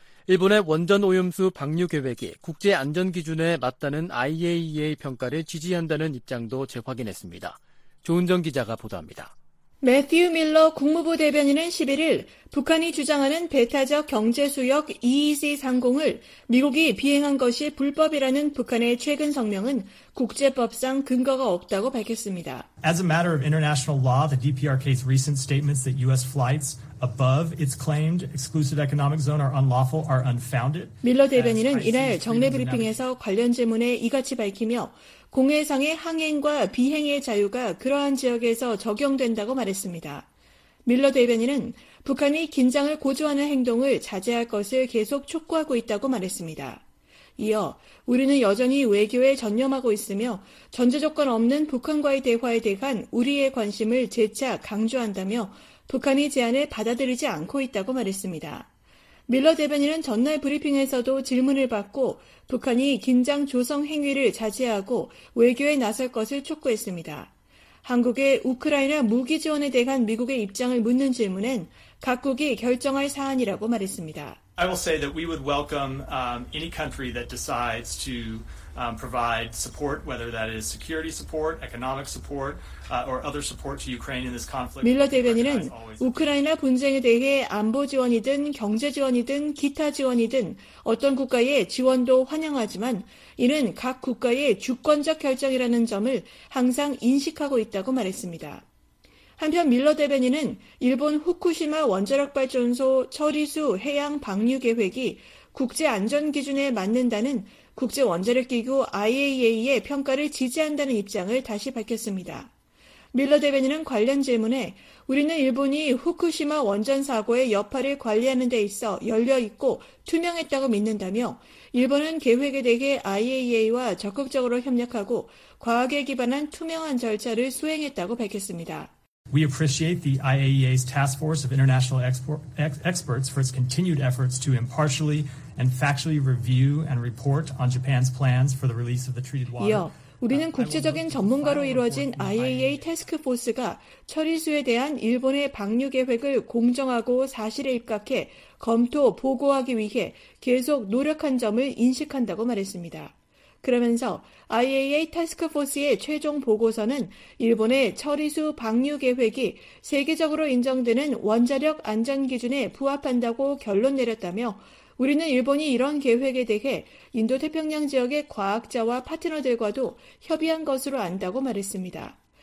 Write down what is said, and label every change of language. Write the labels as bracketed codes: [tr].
[ko] 일본의 원전 오염수 방류 계획이 국제 안전 기준에 맞다는 IAEA 평가를 지지한다는 입장도 재확인했습니다. 조은정 기자가 보도합니다. 매튜 밀러 국무부 대변인은 11일 북한이 주장하는 배타적 경제수역 EEZ 상공을 미국이 비행한 것이 불법이라는 북한의 최근 성명은 국제법상 근거가 없다고 밝혔습니다. [en] As a matter of international law, the DPRK's recent statements that U.S. flights above its claimed exclusive economic zone are unlawful are unfounded. [ko] 밀러 대변인은 이날 정례 브리핑에서 관련 질문에 이같이 밝히며 공해상의 항행과 비행의 자유가 그러한 지역에서 적용된다고 말했습니다. 밀러 대변인은 북한이 긴장을 고조하는 행동을 자제할 것을 계속 촉구하고 있다고 말했습니다. 이어 우리는 여전히 외교에 전념하고 있으며 전제조건 없는 북한과의 대화에 대한 우리의 관심을 재차 강조한다며 북한이 제안을 받아들이지 않고 있다고 말했습니다. 밀러 대변인은 전날 브리핑에서도 질문을 받고 북한이 긴장 조성 행위를 자제하고 외교에 나설 것을 촉구했습니다. 한국의 우크라이나 무기 지원에 대한 미국의 입장을 묻는 질문엔 각국이 결정할 사안이라고 말했습니다. [en] I will say that we would welcome any country that decides to provide support, whether that is security support, economic support, or other support to Ukraine in this conflict. [ko] 밀러 대변인은 우크라이나 분쟁에 대해 안보 지원이든 경제 지원이든 기타 지원이든 어떤 국가의 지원도 환영하지만 이는 각 국가의 주권적 결정이라는 점을 항상 인식하고 있다고 말했습니다. 한편 밀러 대변인은 일본 후쿠시마 원자력발전소 처리수 해양 방류 계획이 국제 안전 기준에 맞는다는 국제원자력기구 IAEA의 평가를 지지한다는 입장을 다시 밝혔습니다. 밀러 대변인은 관련 질문에 우리는 일본이 후쿠시마 원전 사고의 여파를 관리하는 데 있어 열려있고 투명했다고 믿는다며 일본은 계획에 대해 IAEA와 적극적으로 협력하고 과학에 기반한 투명한 절차를 수행했다고 밝혔습니다. [en] We appreciate the IAEA's task force of international experts for its continued efforts to impartially and factually review and report on Japan's plans for the release of the treated water. [ko] 이어 우리는 국제적인 전문가로 이루어진 IAEA 태스크포스가 처리수에 대한 일본의 방류 계획을 공정하고 사실에 입각해 검토, 보고하기 위해 계속 노력한 점을 인식한다고 말했습니다. 그러면서 IAEA 태스크포스의 최종 보고서는 일본의 처리수 방류 계획이 세계적으로 인정되는 원자력 안전 기준에 부합한다고 결론 내렸다며 우리는 일본이 이런 계획에 대해 인도태평양 지역의 과학자와 파트너들과도 협의한 것으로 안다고 말했습니다.